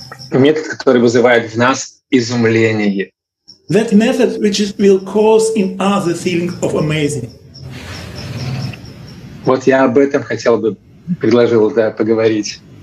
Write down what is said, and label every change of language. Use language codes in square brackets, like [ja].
[ru] Метод, который вызывает в нас изумление. [en] That method which is, will cause in us the feeling of amazing. [ru] Вот я об этом хотел бы предложил да, поговорить.